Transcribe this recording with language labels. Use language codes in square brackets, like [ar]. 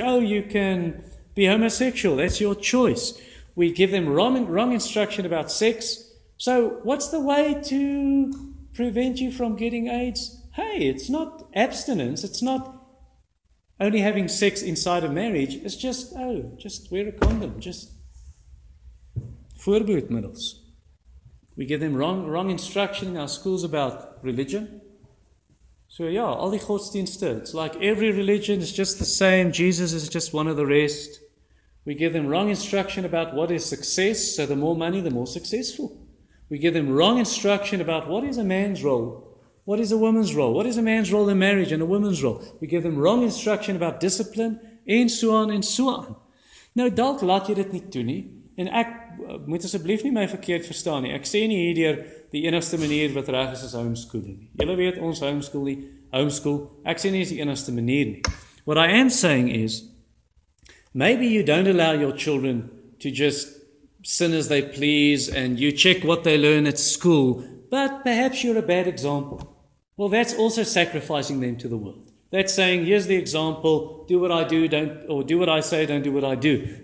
[en] Oh, you can be homosexual. That's your choice. We give them wrong instruction about sex. So what's the way to prevent you from getting AIDS? Hey, it's not abstinence. It's not only having sex inside of marriage. It's just, oh, just wear a condom. Just voorbehoedmiddels. We give them wrong instruction in our schools about religion. So yeah, all the godsdienste, it's like every religion is just the same. Jesus is just one of the rest. We give them wrong instruction about what is success, so the more money, the more successful. We give them wrong instruction about what is a man's role, what is a woman's role, what is a man's role in marriage and a woman's role. We give them wrong instruction about discipline, and so on, and so on. [af] Nou, dalk laat jy dit nie toe nie, en ek moet asseblief nie my verkeerd verstaan nie. Ek sê nie hierdeur die enigste manier wat reg is homeschooling. Julle weet ons homeschool, ek sê nie is die enigste manier nie. [en] What I am saying is, maybe you don't allow your children to just sin as they please and you check what they learn at school, but perhaps you're a bad example. Well, that's also sacrificing them to the world. That's saying, here's the example, do what I do, do what I say, don't do what I do.